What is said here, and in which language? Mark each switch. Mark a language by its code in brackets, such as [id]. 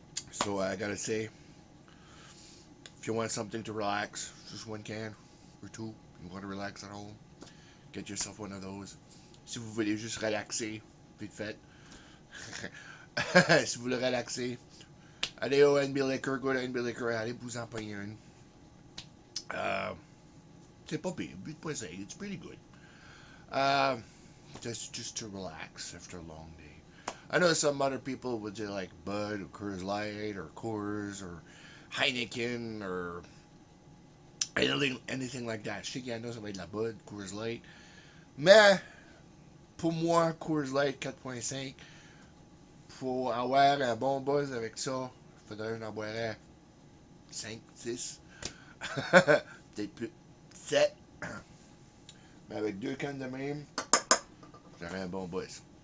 [en] So I gotta say, if you want something to relax, just one can or two, you want to relax at home, get yourself one of those. [fr] Si vous voulez juste relaxer, vite fait. Si vous voulez relaxer, allez au NB Liquor, [en] go to NB Liquor, [fr] allez vous en payer une. C'est pas pire, 8.5, [en] it's pretty good. Just to relax after a long day. I know some other people would say like Bud or Coors Light or Coors or Heineken or anything like that. [fr] Je sais qu'il y en a, ça va être la Bud, Coors Light. Mais, pour moi, Coors Light 4.5, pour avoir un bon buzz avec ça, il faudrait que j'en boirais 5, 6. Peut-être plus 7. Mais avec deux cannes de même, j'aurais un bon buzz.